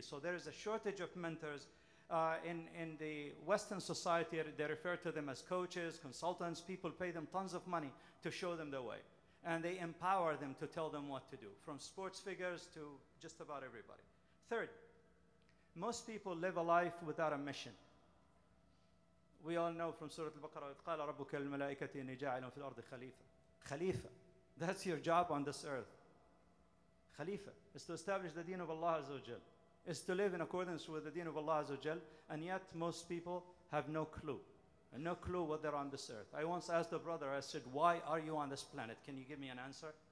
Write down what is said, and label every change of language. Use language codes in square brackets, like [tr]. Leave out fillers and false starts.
[en] So there is a shortage of mentors in the Western society. They refer to them as coaches, consultants. People pay them tons of money to show them the way. And they empower them to tell them what to do, from sports figures to just about everybody. Third, most people live a life without a mission. We all know from Surah Al-Baqarah, [ar] قَالَ رَبُّكَ الْمَلَائِكَةِ إِنِّي جَاعِلٌ فِي الْأَرْضِ خَلِيفَةً. [en] Khalifa, that's your job on this earth. Khalifa is to establish the deen of Allah Azza wa Jal, is to live in accordance with the deen of Allah Azza wa Jal, and yet most people have no clue. And no clue what they're on this earth. I once asked a brother, I said, why are you on this planet? Can you give me an answer?